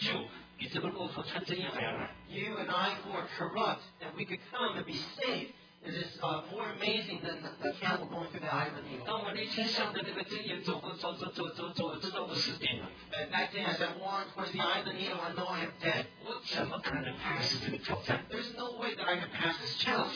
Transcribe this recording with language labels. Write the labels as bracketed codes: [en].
[zh] 你以为我怎么今天你我这样子败坏的人，居然能够成为圣洁，能够得救？比这个骆驼穿针眼还要难。 [en] You and I who are corrupt, and we could come and be saved. It is more amazing than the camel going through the eye of the needle. [zh] 当我那天向着那个针眼走过，走走走走走，我知道我死定了。 [en] And that day, as I walk towards the eye of the needle, I know I am dead. [zh] 怎么可能 pass 这个挑战？ [en] There's no way that I can pass this challenge.